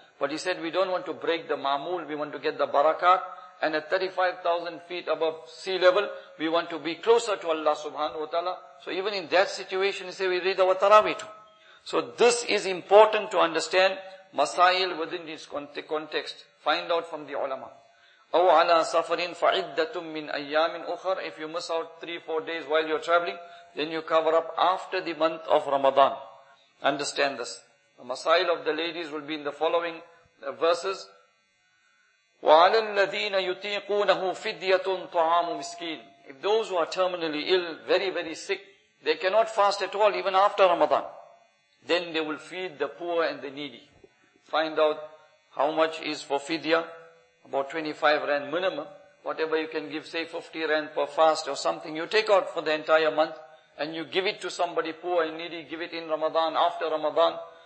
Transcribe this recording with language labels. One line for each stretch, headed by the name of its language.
English: But he said, we don't want to break the ma'mool. We want to get the barakat. And at 35,000 feet above sea level, we want to be closer to Allah subhanahu wa ta'ala. So even in that situation, he said, we read our Taraweeh too. So this is important to understand masail within its context. Find out from the ulama.
Arabic: أو على سفرين فعدة من أيام أخر.
English: If you miss out 3-4 days while you're traveling, then you cover up after the month of Ramadan. Understand this. The masail of the ladies will be in the following verses.
Arabic: وعلى الذين يطيقونه فدية طعام مسكين.
English: If those who are terminally ill, very very sick, they cannot fast at all even after Ramadan, then they will feed the poor and the needy. Find out how much is for fidya. About 25 rand minimum. Whatever you can give, say 50 rand per fast or something, you take out for the entire month and you give it to somebody poor and needy, give it in Ramadan, after Ramadan.